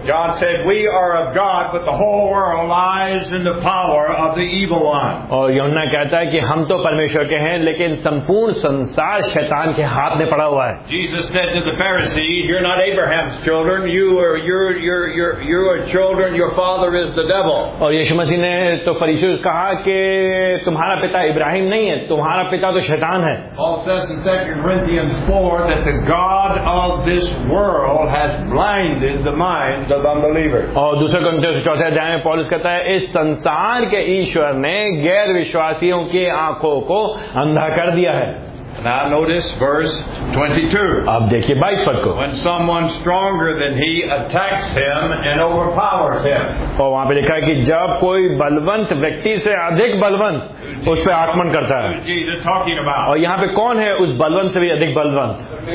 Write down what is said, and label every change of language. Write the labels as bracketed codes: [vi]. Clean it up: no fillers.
[en] God said, "We are of God, but the whole world lies in the power of the evil one." [hi] और यूहन्ना कहता है कि हम तो परमेश्वर के हैं, लेकिन संपूर्ण संसार शैतान के हाथ में पड़ा हुआ है. [en] Jesus said to the Pharisees, "You're not Abraham's children. You are children. Your father is the devil." [hi] और यीशु मसीह ने तो फरीसियों से कहा कि तुम्हारा पिता इब्राहिम नहीं है, तुम्हारा पिता तो शैतान है. [en] Paul says in 2 Corinthians 4 that the God of this world has blinded the minds of unbelievers. [hi] और दूसरे कंटेंस चौथे अध्याय में पॉलस कहता है इस संसार के ईश्वर ने गैर विश्वासियों की आंखों को अंधा कर दिया है. [en] Now notice verse 22. [hi] अब देखिए 22 पद को. [en] When someone stronger than he attacks him and overpowers him. [hi] और वहाँ पे लिखा है कि जब कोई बलवंत व्यक्ति से अधिक बलवंत उस पर आक्रमण करता है. और यहाँ पे कौन है उस बलवंत से भी अधिक बलवंत?